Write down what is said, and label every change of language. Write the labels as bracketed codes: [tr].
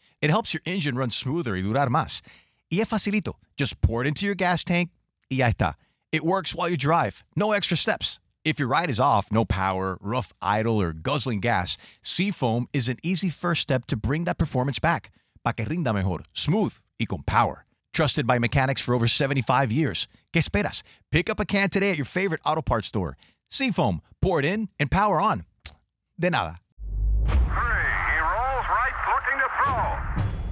[en] It helps your engine run smoother [es] y durar más. Y es facilito. [en] Just pour it into your gas tank [es] y ya está. [en] It works while you drive. No extra steps. If your ride is off, no power, rough idle, or guzzling gas, Seafoam is an easy first step to bring that performance back. [es] Pa que rinda mejor, smooth, y con power. [en] Trusted by mechanics for over 75 years. [es] ¿Qué esperas? [en] Pick up a can today at your favorite auto parts store. Seafoam, pour it in and power on. [es] De nada. [en] Three, he rolls right, looking to throw.